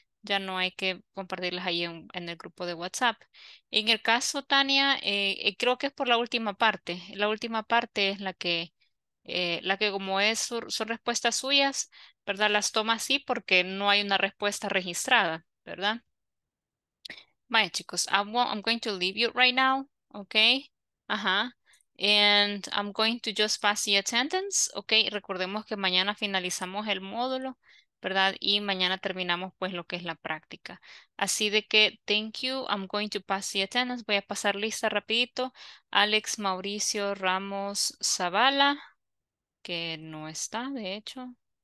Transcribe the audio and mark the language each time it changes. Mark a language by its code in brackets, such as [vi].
[es] Ya no hay que compartirlas ahí en el grupo de WhatsApp. En el caso, Tania, creo que es por la última parte. La última parte es la que como es son respuestas suyas, ¿verdad? Las toma así porque no hay una respuesta registrada, ¿verdad? Vaya, chicos, [en] I'm going to leave you right now, okay? Ajá. And I'm going to just pass the attendance, okay? [es] Recordemos que mañana finalizamos el módulo, ¿verdad? Y mañana terminamos pues lo que es la práctica. Así de que, [en] thank you, I'm going to pass the attendance. [es] Voy a pasar lista rapidito. Alex Mauricio Ramos Zavala, que no está, de hecho.